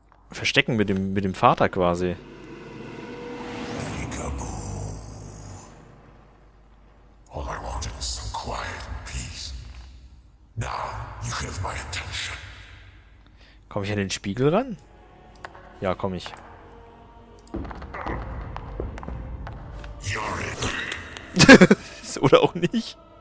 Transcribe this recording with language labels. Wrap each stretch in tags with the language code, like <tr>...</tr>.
<de>Verstecken mit dem Vater quasi.</de> <en>All I wanted was some quiet and peace. Now you have my attention.</en> <de>Komm ich an den Spiegel ran? Ja, komm ich.</de> <en>You're it.</en> <de>Oder auch nicht.</de>